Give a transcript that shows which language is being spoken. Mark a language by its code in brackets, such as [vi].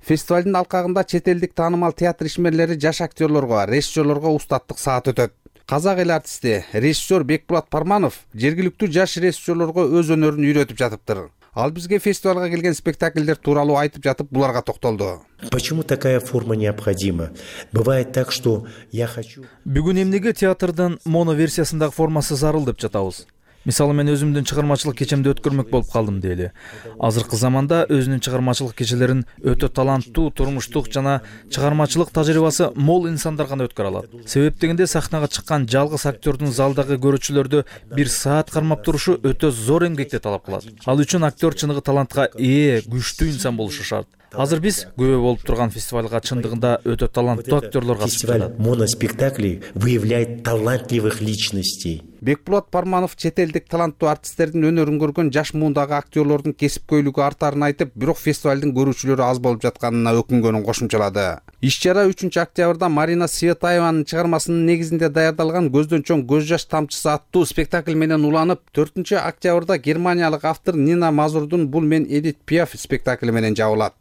[ky] Фестивалдын алкагында чет элдик таанымал театр ишмерлери жаш актёрлорго, режиссёрлорго устаттык саат өтөт. Казак эл артисти режиссёр Бекпулат Парманов жергиликтүү жаш режиссёрлорго өз өнөрүн үйрөтүп жатыптыр. Ал бизге фестивалга келген спектакльдер тууралуу айтып жатып, буларга токтолду. [ru] Почему такая форма необходима? Бывает так, что я хочу. [ky] Бүгүн эмнеге театрдын моноверсиясындагы формасы зарыл деп жатабыз? Мисалы, мен өзүмдүн чыгармачылык кечемди өткөрмөк болуп калдым дейли. Азыркы заманда өзүнүн чыгармачылык кечелерин өтө таланттуу, турмуштук жана чыгармачылык тажрыйбасы мол инсандар гана өткөрө алат. Себеп дегенде сахнага чыккан жалгыз актёрдун залдагы көрүүчүлөрдү бир саат кармап турушу өтө зор эмгекти талап кылат. Ал үчүн актёр чыныгы талантка ээ, күчтүү инсан болушу шарт. Азыр биз күбө болуп турган фестивалга чындыгында өтө таланттуу актёрлор катышат. [ru] Фестиваль моноспектаклей выявляет талантливых личностей. [ky] Бекпулат Парманов четелдик таланттуу артисттердин өнөрүн көргөн жаш муундагы актёрлордун кесипкөйлүгү артарын айтып, бирок фестивалдын көрүүчүлөрү аз болуп жатканына өкүнгөнүн кошумчалады. Иш-чара 3-октябрда Марина Светаеванын чыгармасынын негизинде даярдалган Көздөн чоң көз жаш тамчысы аттуу спектакль менен уланып, 4-октябрда германиялык автор Нина Мазурдун Бул мен Эдит Пиаф спектакли менен жабылат.